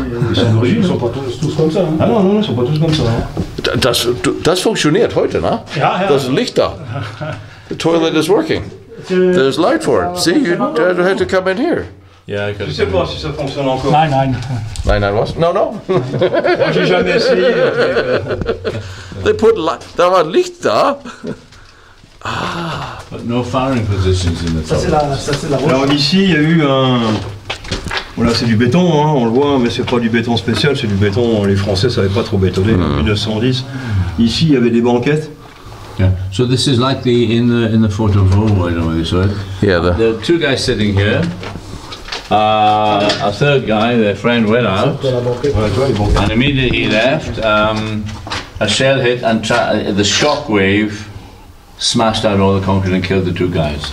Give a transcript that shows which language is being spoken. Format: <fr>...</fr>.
<fr>Ils sont d'origine, ils sont pas tous comme ça. Hein. Ah non, ils sont pas tous comme ça. Hein.</fr> <de>Das funktioniert heute, ne? Ja, ja. Das Licht da.</de> <en>The toilet is working. There's light for it. See, you had to come in here. Yeah, I could.</en> <fr>Je sais pas si ça fonctionne encore. 99. 99</fr> <de>was?</de> <en>No, no.</en> <fr>J'ai jamais essayé.</fr> <en>They put light. There was</en> <de>Licht da.</de> <en>But no firing positions in the top.</en> <fr>Ça c'est la alors ici, il y a eu un. Voilà, c'est du béton, hein, on le voit, mais c'est pas du béton spécial, c'est du béton. Les Français savaient pas trop bétonner en 1910. Ici, il y avait des banquettes.</fr> <en>Yeah. So this is like the in the fort of Vaux, I know this word. Yeah. There are two guys sitting here. A third guy, their friend, went out, and immediately he left. A shell hit, and the shock wave smashed out all the concrete and killed the two guys.</en>